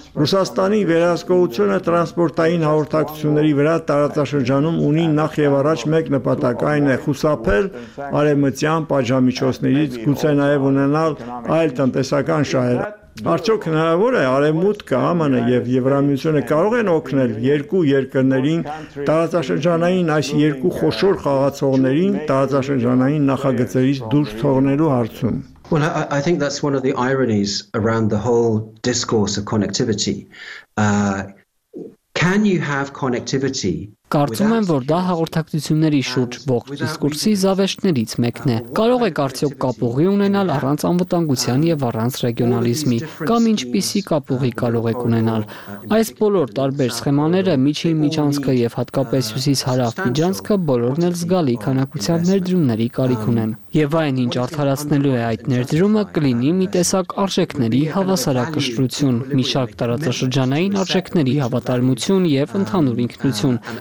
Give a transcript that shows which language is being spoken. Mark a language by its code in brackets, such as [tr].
[hy] Ռուսաստանի վերահսկողությունը տրանսպորտային հաղորդակցությունների վրա տարածաշրջանում ունի նախ եւ առաջ մեկ նպատակ, այն է խուսափել արևմտյան պատժամիջոցներից, գուցե նաեւ ունենալ այլ տնտեսական շահեր։ Արդյոք հնարավոր է Արևմուտքը, ԱՄՆ-ը եւ Եվրամիությունը կարող են օգնել երկու երկրներին տարածաշրջանային այս երկու խոշոր խաղացողներին տարածաշրջանային նախագծերից դուրս թողնելու հարցում։ [en] Well, I think that's one of the ironies around the whole discourse of connectivity. Can you have connectivity? [hy] Կարծում եմ, որ դա հաղորդակցությունների շուրջ ողջ դիսկուրսի զավեշներից մեկն է։ Կարող է կարծիք կապուղի ունենալ առանց անվտանգության եւ առանց ռեգիոնալիզմի, կամ ինչպիսի կապուղի կարող եք ունենալ։ Այս բոլոր տարբեր սխեմաները միջին միջանցքը եւ հատկապես հյուսիս հարավ միջանցքը բոլորն էլ զգալի քանակությամբ ներդրումների կարիք ունեն։ Եվ այն, ինչ արդարացնելու է այդ ներդրումը, կլինի մի տեսակ արժեքների հավասարակշռություն, մի շարք տարածաշրջանային արժեքների հավատարմություն եւ ընդհանուր ինքնություն,